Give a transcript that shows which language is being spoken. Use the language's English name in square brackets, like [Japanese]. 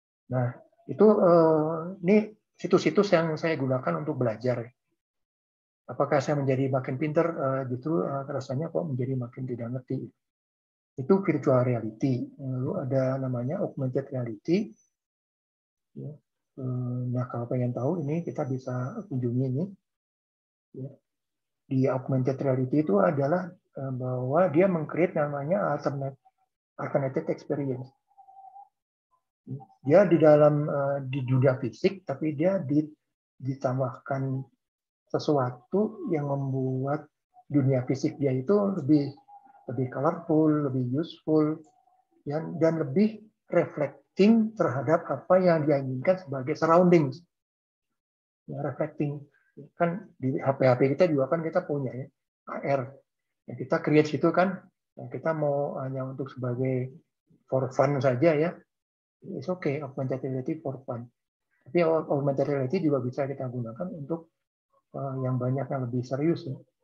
[Indonesian] Nah, itu ini situs-situs yang saya gunakan untuk belajar. Apakah saya menjadi makin pinter? Justru rasanya kok menjadi makin tidak ngerti. Itu virtual reality. Lalu ada namanya augmented reality. Ya. Nah kalau pengen tahu ini kita bisa kunjungi ini. di augmented reality itu adalah bahwa dia meng-create namanya alternate experience. Dia di dalam di dunia fisik, tapi dia ditambahkan sesuatu yang membuat dunia fisik dia itu lebih colorful, lebih useful, dan lebih reflecting terhadap apa yang dia inginkan sebagai surroundings. Ya, reflecting kan di HP-HP kita juga kan kita punya ya AR yang kita create itu kan yang kita mau hanya untuk sebagai [English] for fun [Indonesian] saja ya. [English] It's okay, augmented reality for fun. [Indonesian] Tapi augmented reality juga bisa kita gunakan untuk yang banyak yang lebih serius ya.